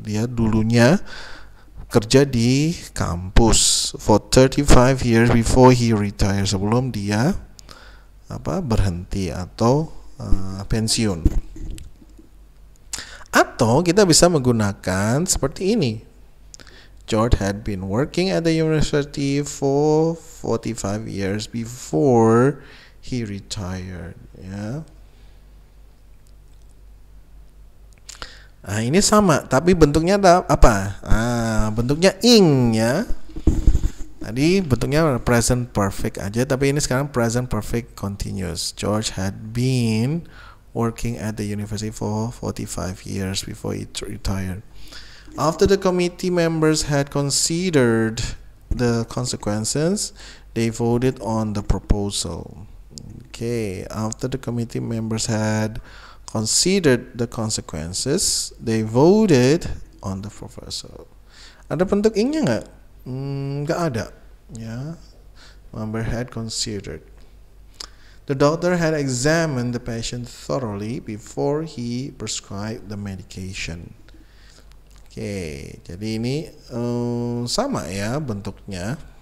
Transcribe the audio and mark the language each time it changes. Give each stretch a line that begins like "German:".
Indonesian: Dia dulunya kerja di kampus
English: for 35 years before he retired,
Indonesian: sebelum dia berhenti atau pensiun. Atau kita bisa menggunakan seperti ini.
English: George had been working at the university for 45 years before he retired.
Indonesian: Nah, ini sama, tapi bentuknya apa? Bentuknya ing ya. Tadi bentuknya present perfect aja, tapi ini sekarang present perfect continuous.
English: George had been working at the university for 45 years before he retired. After the committee members had considered the consequences, they voted on the proposal. Okay, after the committee members had considered the consequences, they voted on the proposal.
Indonesian: Ada bentuk ing-nya enggak? Enggak ada.
English: Member had considered. The doctor had examined the patient thoroughly before he prescribed the medication.
Indonesian: Okay, jadi ini sama ya bentuknya.